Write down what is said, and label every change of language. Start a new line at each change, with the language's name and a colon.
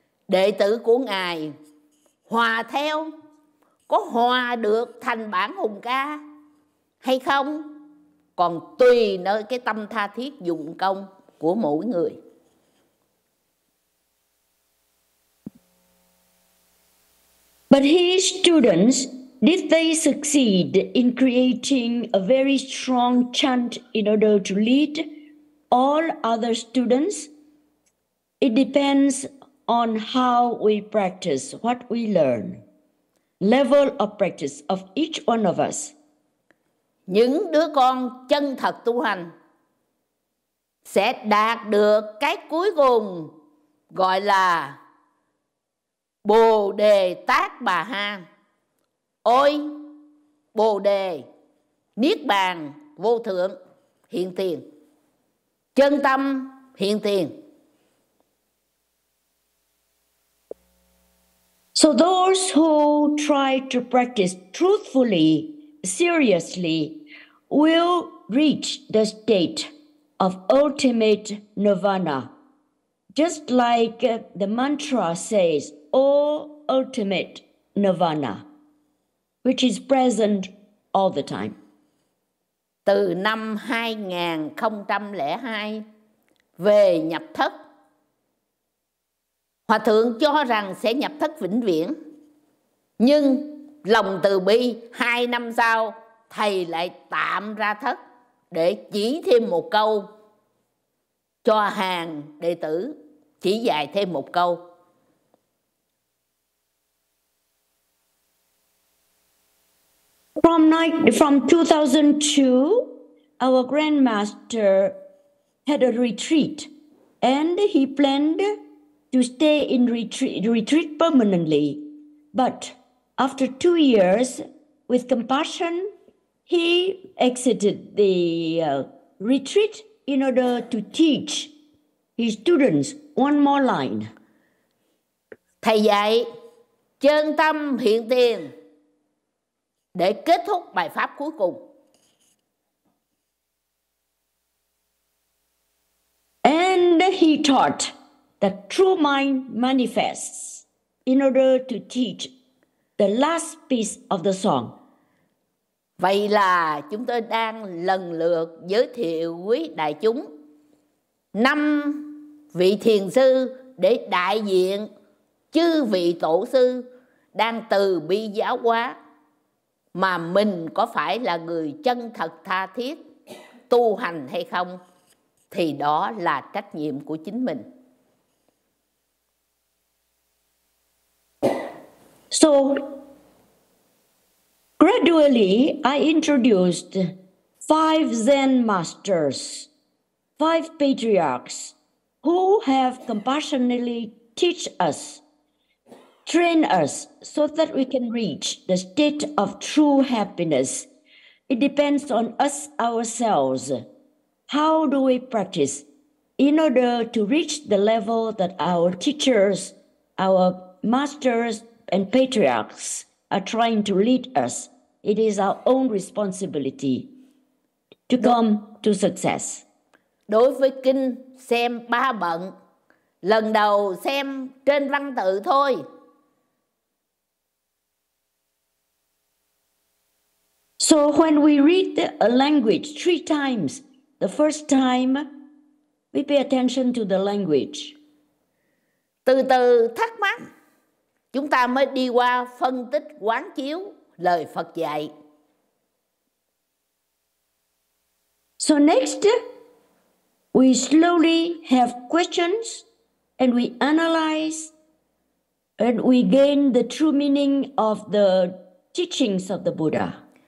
Vietnamese: Đệ tử của ngài hòa theo, có hòa được thành bản hùng ca hay không còn tùy nơi cái tâm tha thiết dụng công của mỗi người.
English: But his students, did they succeed in creating a very strong chant in order to lead all other students? It depends on how we practice, what we learn, level of practice of each one of us.
Vietnamese: Những đứa con chân thật tu hành sẽ đạt được cái cuối cùng gọi là Bồ Đề Tát Bà Ha. Ôi Bồ Đề Niết Bàn Vô Thượng Hiện Tiền, chân tâm hiện tiền.
English: So those who try to practice truthfully, seriously, will reach the state of ultimate nirvana. Just like the mantra says, O ultimate nirvana, which is present all the time.
Vietnamese: Từ năm 2002 về nhập thất, Hòa Thượng cho rằng sẽ nhập thất vĩnh viễn. Nhưng lòng từ bi, 2 năm sau, Thầy lại tạm ra thất để chỉ thêm một câu cho hàng đệ tử, chỉ dạy thêm một câu.
English: From 2002, our grandmaster had a retreat and he planned to stay in retreat permanently. But after 2 years, with compassion, he exited the retreat in order to teach his students one more line.
Vietnamese: Thầy dạy chân tâm hiện tiền để kết thúc bài pháp cuối cùng.
English: And he taught that true mind manifests in order to teach the last piece of the song.
Vietnamese: Vậy là chúng tôi đang lần lượt giới thiệu quý đại chúng 5 vị thiền sư để đại diện chư vị tổ sư đang từ bi giáo hóa, mà mình có phải là người chân thật tha thiết tu hành hay không thì đó là trách nhiệm của chính mình.
English: So, gradually, I introduced five Zen masters, five patriarchs, who have compassionately teach us, train us, so that we can reach the state of true happiness. It depends on us ourselves. How do we practice in order to reach the level that our teachers, our masters, and patriarchs are trying to lead us? It is our own responsibility to come to success.
Vietnamese: Đối với kinh xem ba bận, lần đầu xem trên văn tự thôi.
English: So when we read a language three times, the first time, we pay attention to the language.
Vietnamese: Từ từ thắc mắc, chúng ta mới đi qua phân tích quán chiếu lời Phật dạy.
English: So next, we slowly have questions and we analyze and we gain the true meaning of the teachings of the Buddha.